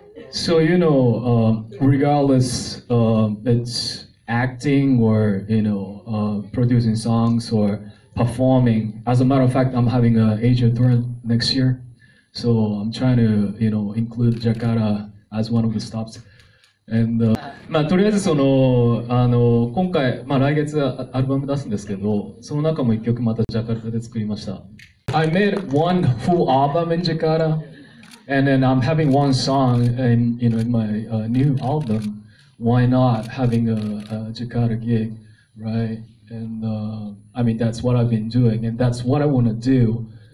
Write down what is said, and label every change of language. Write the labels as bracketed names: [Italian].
[English] So, regardless, it's acting or, producing songs or performing. As a matter of fact, I'm having an Asia tour next year. So I'm trying to, include Jakarta as one of the stops. [Japanese] And, まあ、とりあえず、今回、まあ、来月アルバム出すんですけど、その中も一曲またジャカルタで作りました。 [English] I made one full album in Jakarta. And then I'm having one song in, in my new album. Why not having a Jakarta gig, right? And I mean, that's what I've been doing, and that's what I want to do.